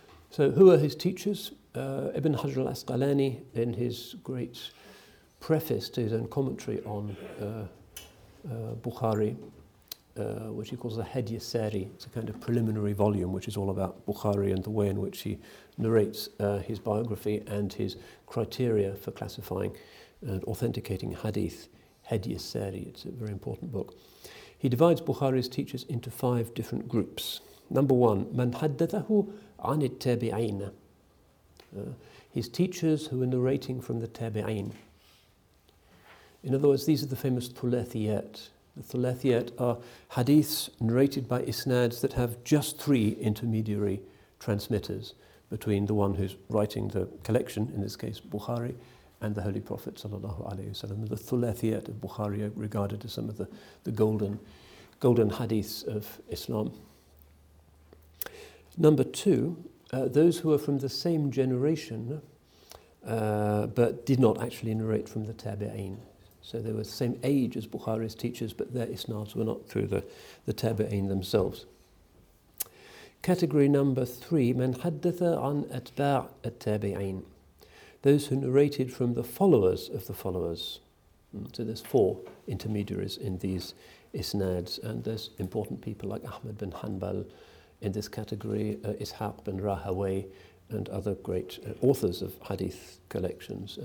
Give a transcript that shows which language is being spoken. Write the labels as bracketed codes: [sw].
[en] So who are his teachers? Ibn Hajar al-Asqalani, in his great preface to his own commentary on Bukhari, which he calls the Hed Yasari. It's a kind of preliminary volume, which is all about Bukhari and the way in which he narrates his biography and his criteria for classifying and authenticating hadith, Hed Yasari. It's a very important book. He divides Bukhari's teachers into five different groups. Number one, [ar] من حدثه عن التابعين. [en] His teachers who were narrating from the tabi'in. In other words, these are the famous thulathiyat. The thulathiyat are hadiths narrated by isnads that have just three intermediary transmitters between the one who's writing the collection, in this case Bukhari, and the Holy Prophet sallallahu alaihi wasallam. The thulathiyat of Bukhari are regarded as some of the golden hadiths of Islam. Number two, those who are from the same generation but did not actually narrate from the tabi'in. So they were the same age as Bukhari's teachers, but their isnads were not through the tabi'in themselves. Category number three, [ar] من حدث عن أتباع التابعين. [en] Those who narrated from the followers of the followers. So there's four intermediaries in these isnads, and there's important people like Ahmad bin Hanbal in this category, Ishaq bin Rahaway, and other great authors of hadith collections.